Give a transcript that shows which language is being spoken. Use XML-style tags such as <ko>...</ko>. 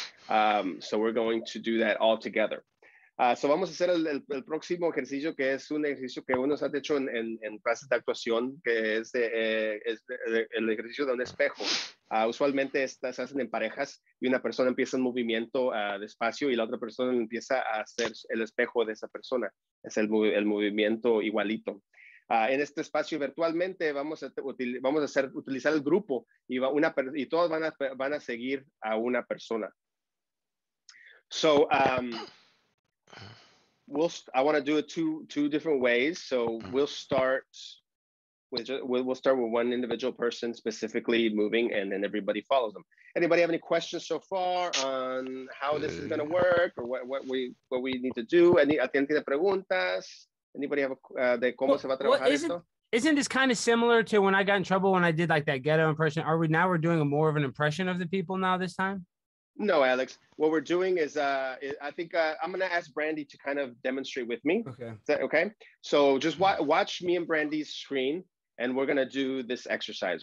<en>So we're going to do that all together.</en> <es>So vamos a hacer el próximo ejercicio, que es un ejercicio que uno se ha hecho en clases de actuación, que es el ejercicio de un espejo. Usualmente se hacen en parejas y una persona empieza un movimiento despacio y la otra persona empieza a hacer el espejo de esa persona. Es el movimiento igualito. En este espacio virtualmente vamos a utilizar el grupo y todos van a seguir a una persona.</es> <en>So, I want to do it two different ways. So we'll start with one individual person specifically moving, and then everybody follows them. Anybody have any questions so far on how this is going to work, or what we need to do?</en> <es>Any preguntas?</es> <en>Anybody have</en> <es>de cómo se va a trabajar esto?</es> <en>Isn't this kind of similar to when I got in trouble when I did like that ghetto impression? Are we now doing a more of an impression of the people now this time? No, Alex. What we're doing is, I think I'm going to ask Brandy to kind of demonstrate with me. Okay. Is that okay? So just watch me and Brandy's screen, and we're going to do this exercise.</en>